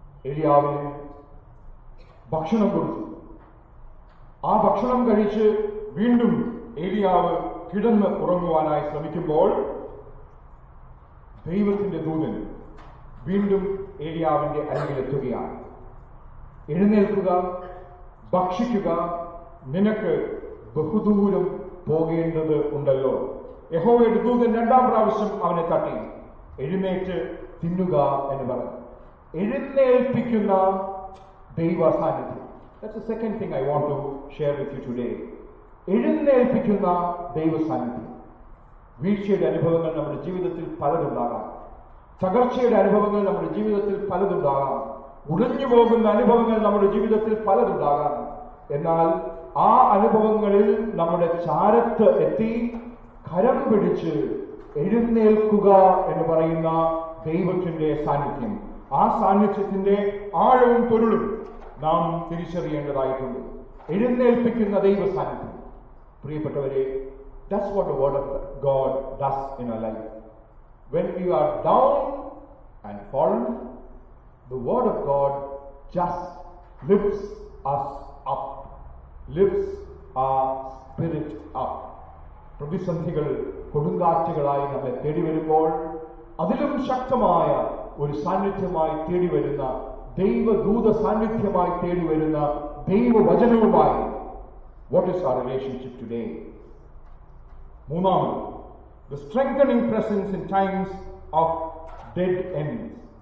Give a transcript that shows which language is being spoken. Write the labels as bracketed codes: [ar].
[ml] ഏലിയാവിന് ഭക്ഷണം കൊടുത്തു, ആ ഭക്ഷണം കഴിച്ച് വീണ്ടും ഏലിയാവ് കിടന്ന് ഉറങ്ങുവാനായി ശ്രമിക്കുമ്പോൾ ദൈവത്തിന്റെ ദൂതൻ വീണ്ടും ഏലിയാവിന്റെ അരികിലെത്തുകയാണ്. എഴുന്നേൽക്കുക, ഭക്ഷിക്കുക, നിനക്ക് ബഹുദൂരം പോകേണ്ടത് ഉണ്ടല്ലോ. യഹോവയുടെ ദൂതൻ രണ്ടാം പ്രാവശ്യം അവനെ തട്ടി, എഴുന്നേറ്റ് തിന്നുക എന്ന് പറഞ്ഞു. എഴുന്നേൽപ്പിക്കുന്ന ദൈവ സാന്നിധ്യം. [en] That's the second thing I want to share with you today. [ml] എഴുന്നേൽപ്പിക്കുന്ന ദൈവ സാന്നിധ്യം. വീഴ്ചയുടെ അനുഭവങ്ങൾ നമ്മുടെ ജീവിതത്തിൽ പലതുണ്ടാകാം, തകർച്ചയുടെ അനുഭവങ്ങൾ നമ്മുടെ ജീവിതത്തിൽ പലതുണ്ടാകാം, ഉടഞ്ഞു പോകുന്ന അനുഭവങ്ങൾ നമ്മുടെ ജീവിതത്തിൽ പലതുണ്ടാകാം. എന്നാൽ ആ അനുഭവങ്ങളിൽ നമ്മുടെ ചാരത്ത് എത്തി കരം പിടിച്ച് എഴുന്നേൽക്കുക എന്ന് പറയുന്ന ദൈവത്തിന്റെ സാന്നിധ്യം, ആ സാന്നിധ്യത്തിന്റെ ആഴവും പൊരുളും നാം തിരിച്ചറിയേണ്ടതായിട്ടുണ്ട്. എഴുന്നേൽപ്പിക്കുന്ന ദൈവ സാന്നിധ്യം. പ്രിയപ്പെട്ടവരെ, [en] That's what the word of God does in our life. When we are down and fallen, the word of God just lifts us up, lifts our spirit up. [ml] പ്രതിസന്ധികൾ കൊടുങ്കാറ്റുകളായി നമ്മെ തേടി വരുമ്പോൾ അതിലും ശക്തമായ ഒരു സാന്നിധ്യമായി തേടി വരുന്ന ദൈവദൂത സാന്നിധ്യമായി തേടി വരുന്ന ദൈവവചനവുമായി. [en] What is our relationship today? മൂന്നാമത്, the strengthening presence in times of dead ends.